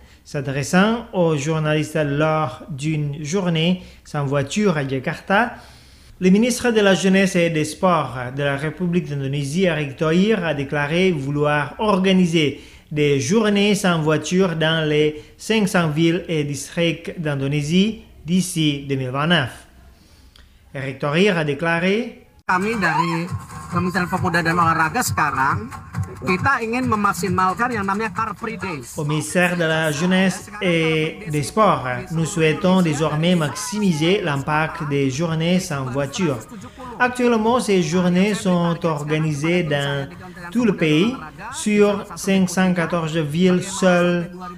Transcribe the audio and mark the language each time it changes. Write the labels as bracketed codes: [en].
[fr] S'adressant aux journalistes lors d'une journée sans voiture à Jakarta, le ministre de la Jeunesse et des Sports de la République d'Indonésie, Erick Thohir, a déclaré vouloir organiser des journées sans voiture dans les 500 villes et districts d'Indonésie d'ici 2029. Erick Thohir a déclaré: [id] Kami dari Kementerian Pemuda dan Olahraga sekarang kita ingin memaksimalkan yang namanya Car Free Days. [fr] Commissaire de la Jeunesse et des Sports, nous souhaitons désormais maximiser l'impact des journées sans voiture. Actuellement, ces journées sont organisées dans tout le pays sur 514 villes seules.